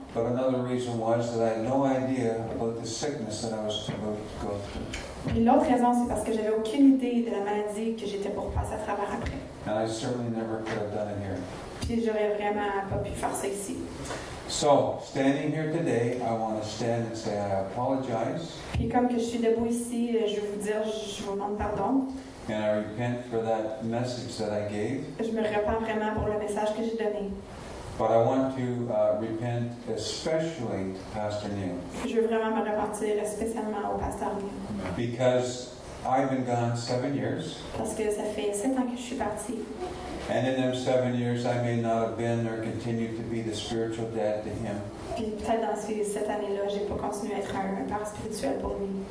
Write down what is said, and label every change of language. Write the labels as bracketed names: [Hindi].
[English] But another reason was that I had no idea about the sickness that I was about to go through. [French] Et l'autre raison, c'est parce que j'avais aucune idée de la maladie que j'étais pour passer à travers après. [English] And I certainly never could have done it here. [French] Puis j'aurais vraiment pas pu faire ça ici. [English] So, standing here today, I want to stand and say I apologize. [French] Puis comme que je suis debout ici, je vais vous dire, je vous demande pardon. [English] And I repent for that message that I gave. [French] Je me repens vraiment pour le message que j'ai donné. [English] But I want to repent especially to Pastor Neil. [French] Je veux vraiment me repentir spécialement au Pasteur Neil. [English] Because I've been gone 7 years. [French] Parce que ça fait 7 ans que je suis parti. [English] And in those 7 years, I may not have been or continue to be the spiritual dad to him. [French] Puis peut-être dans cette année-là, j'ai pas continué à être un père spirituel pour lui.